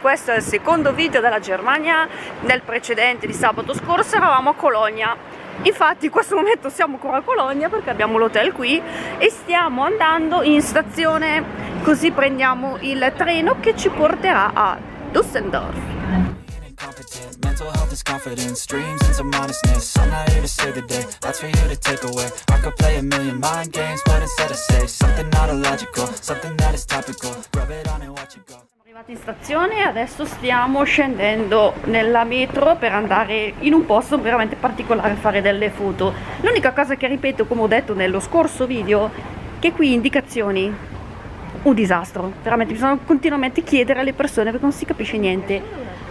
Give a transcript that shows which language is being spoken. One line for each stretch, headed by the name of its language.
Italian: Questo è il secondo video della Germania. Nel precedente, di sabato scorso, eravamo a Colonia. Infatti in questo momento siamo ancora a Colonia perché abbiamo l'hotel qui e stiamo andando in stazione, così prendiamo il treno che ci porterà a Dusseldorf.
English: Mental health is confidence, dreams and some modestness. I'm not here to save the day, that's for you to take away. I could play a million mind games, but instead I say something not illogical, something that is topical. Rub it on and watch it go.
Italian: Siamo arrivati in stazione e adesso stiamo scendendo nella metro per andare in un posto veramente particolare a fare delle foto. L'unica cosa che ripeto, come ho detto nello scorso video, che qui indicazioni un disastro. Veramente bisogna continuamente chiedere alle persone perché non si capisce niente.